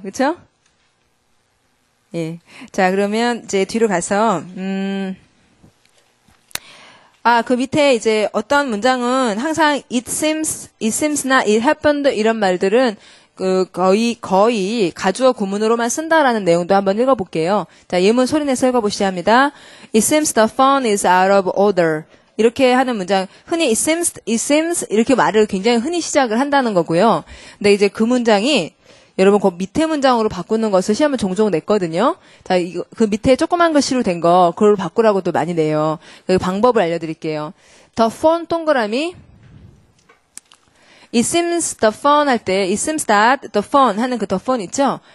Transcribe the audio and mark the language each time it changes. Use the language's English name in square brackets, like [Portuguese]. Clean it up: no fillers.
[Korean] 그렇죠? 예. 자, 그러면 이제 뒤로 가서 아, 그 밑에 이제 어떤 문장은 항상 it seems나 it happened 이런 말들은 그 거의 가주어 구문으로만 쓴다라는 내용도 한번 읽어볼게요. 자, 예문 소리내서 읽어보시죠 합니다. [English] It seems the phone is out of order. [Korean] 이렇게 하는 문장 흔히 it seems 이렇게 말을 굉장히 흔히 시작을 한다는 거고요. 근데 이제 그 문장이 여러분 그 밑에 문장으로 바꾸는 것을 시험을 종종 냈거든요. 자, 이거 그 밑에 조그만 글씨로 된 거 그걸 바꾸라고도 많이 내요. 그 방법을 알려드릴게요. [English] The phone 동그라미 It seems the phone [Korean] 할 때 [English] It seems that the phone [Korean] 하는 그 [English] the phone [Korean] 있죠?